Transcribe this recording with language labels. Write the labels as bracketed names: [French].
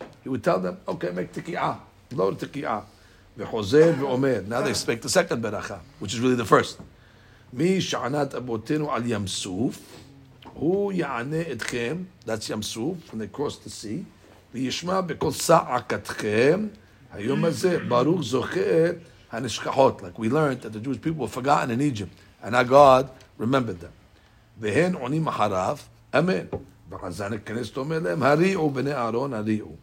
[English] He would tell them, okay, make [Hebrew] תקיעה, לא תקיעה. וחוזר ואומר, [English] now they expect the second ברכה, which is really the first. [Hebrew] מי שענת אבותינו על ים סוף, הוא יענה אתכם, [English] that's [Hebrew] ים סוף, [English] when they cross the sea, [Hebrew] וישמע בכל סעקתכם, היום הזה, ברוך זוכר הנשכחות. [English] Like we learned that the Jewish people were forgotten in Egypt, and our God remembered them. [Hebrew] והן עונים אחריו, אמן. וחזן הכנסת אומר להם, הריעו בני אהרון, הריעו.